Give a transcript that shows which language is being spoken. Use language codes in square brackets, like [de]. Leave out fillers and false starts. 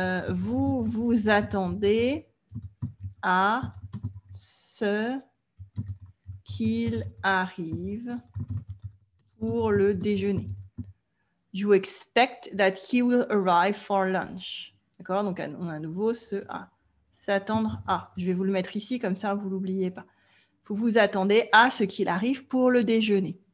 [fr] Vous vous attendez à ce qu'il arrive pour le déjeuner. [en] You expect that he will arrive for lunch. [fr] D'accord ? Donc, on a à nouveau ce A. S'attendre à. Je vais vous le mettre ici, comme ça, vous ne l'oubliez pas. Vous vous attendez à ce qu'il arrive pour le déjeuner.